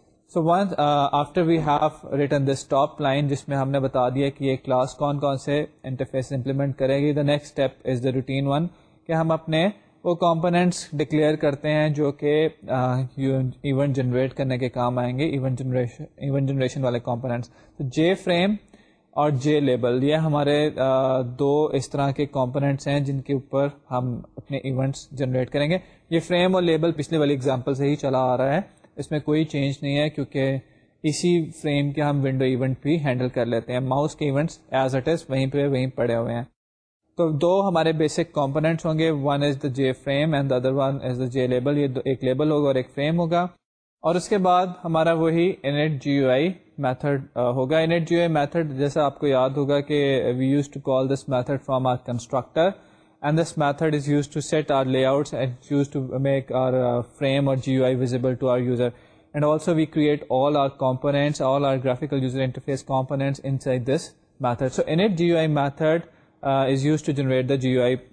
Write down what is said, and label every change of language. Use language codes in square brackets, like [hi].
[en] So once after we have written this top line, which we have told you that this class will implement which interface will implement, the next step is the routine one. We declare our components which will generate event generation, event generation wale components. [ur] So JFrame اور جے label, یہ ہمارے دو اس طرح کے components ہیں جن کے اوپر ہم اپنے ایونٹس جنریٹ کریں گے. یہ فریم اور لیبل پچھلے والی ایگزامپل سے ہی چلا آ رہا ہے, اس میں کوئی چینج نہیں ہے کیونکہ اسی فریم کے ہم ونڈو ایونٹ بھی ہینڈل کر لیتے ہیں. ماؤس کے ایونٹس [en] as it is [ur] وہیں پہ وہیں پڑے ہوئے ہیں. تو دو ہمارے بیسک کمپوننٹس ہوں گے, [en] One is the J frame and the other one is the J label. [ur] یہ ایک لیبل ہوگا اور ایک فریم ہوگا, اور اس کے بعد ہمارا وہی int جی you I method ہوگا. [en] int G U I method, [ur] جیسا آپ کو یاد ہوگا کہ [en] We use to call this method from our constructor, and this method is use to set our layouts and use to make our frame اور G U I visible to our user, and also we create all our components, all our graphical user interface components inside this method. So int G U I method is use to generate the G U I.